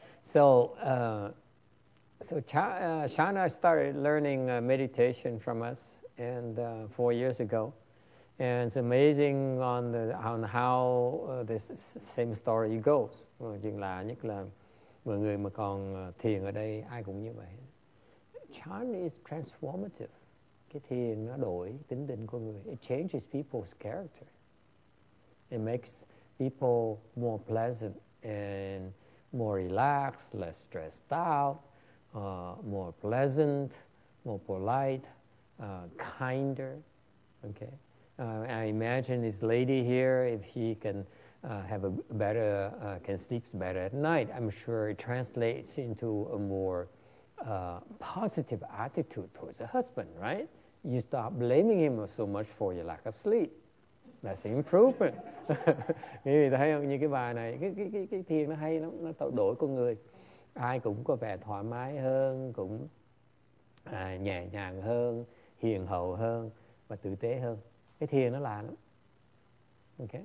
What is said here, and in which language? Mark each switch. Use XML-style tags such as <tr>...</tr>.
<en>Shana started learning meditation from us and 4 years ago. And it's amazing on how this same story goes.</en> <vi>Nhưng là nhất là mọi người mà còn thiền ở đây, ai cũng như vậy.</vi> <en>Chan is transformative.</en> <vi>Cái thiền nó đổi tính tình con người.</vi> <en>It changes people's character. It makes people more pleasant and more relaxed, less stressed out, more pleasant, more polite, kinder. Okay. I imagine this lady here, if he can have a better, can sleep better at night, I'm sure it translates into a more positive attitude towards the husband, right? You stop blaming him so much for your lack of sleep. That's improvement.</en> <vi>Quý vị thấy không? Như cái bài này, cái thiền nó hay lắm, nó tạo đổi con người. Ai cũng có vẻ thoải mái hơn, cũng nhẹ nhàng hơn, hiền hậu hơn và tử tế hơn. Cái thiền nó lạ lắm. Okay?</vi>